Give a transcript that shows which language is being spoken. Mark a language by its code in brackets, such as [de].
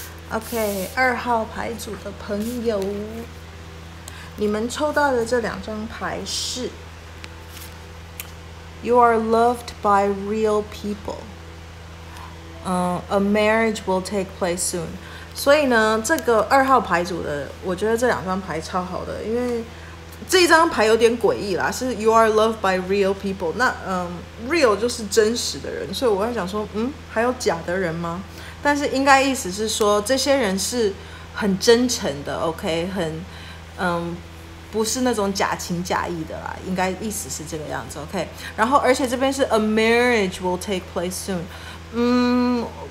[zh] OK， 二号牌组的朋友，你们抽到的这两张牌是 [en] You are loved by real people. A marriage will take place soon. [zh] 所以呢，这个二号牌组的，我觉得这两张牌超好的，因为这张牌有点诡异啦，是 [en] You are loved by real people. [zh] 那real 就是真实的人，所以我在想说，还有假的人吗？但是应该意思是说这些人是很真诚的 ,OK, 很不是那种假情假意的啦，应该意思是这个样子 ,OK, 然后而且这边是 [en] a marriage will take place soon,